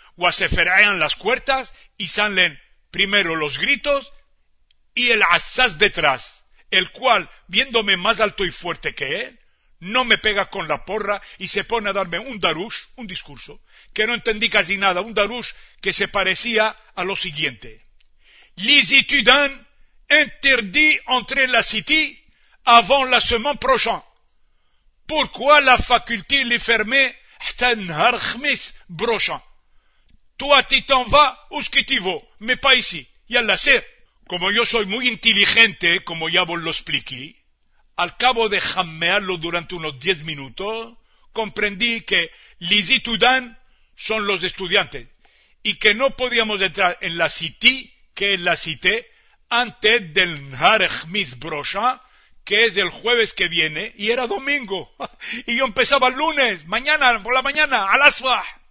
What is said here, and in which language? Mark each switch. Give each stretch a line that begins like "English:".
Spanish: O se ferrean las puertas y salen primero los gritos y el asaz detrás, el cual, viéndome más alto y fuerte que él, no me pega con la porra y se pone a darme un darush, un discurso, que no entendí casi nada, un darush que se parecía a lo siguiente.
French: Les étudiants interdits entrer la cité avant la semaine prochaine. Pourquoi la faculté les fermée
Spanish: hasta el
Arabic: nahar khmis
French: prochain? Toi, tu t'en vas, où ce que tu vas, mais pas ici,
Spanish: y al hacer. Como yo soy muy inteligente, como ya vos lo expliqué, al cabo de jamearlo durante unos 10 minutos, comprendí que
French: les étudiants
Spanish: son los estudiantes y que no podíamos entrar en la cité, que es la cité, antes del
Arabic: nahar khmis
French: prochain,
Spanish: que es el jueves que viene, y era domingo, y yo empezaba el lunes, mañana, por la mañana,
Arabic: al asbah.